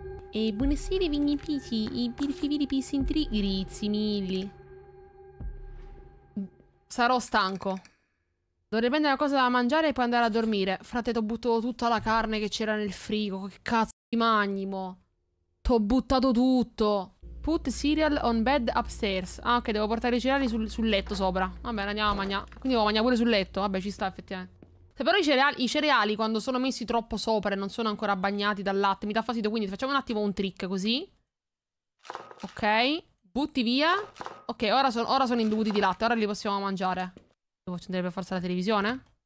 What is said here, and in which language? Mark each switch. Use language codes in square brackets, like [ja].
[it] E buonasera, vigni pici. I birfiviri pisi in tri. Grizi, milli. Sarò stanco. Dovrei prendere una cosa da mangiare e poi andare a dormire. Frate, t'ho buttato tutta la carne che c'era nel frigo. Che cazzo di magnimo. T'ho buttato tutto. [en] Put cereal on bed upstairs. [it] Ah, ok, devo portare i cereali sul letto sopra. Vabbè, andiamo a mangiare. Quindi devo mangiare pure sul letto. Vabbè, ci sta effettivamente. Se però i cereali quando sono messi troppo sopra e non sono ancora bagnati dal latte, mi dà fastidio. Quindi facciamo un attimo un trick così. Ok. Butti via. Ok, ora sono imbevuti di latte. Ora li possiamo mangiare. Devo accendere per forza la televisione?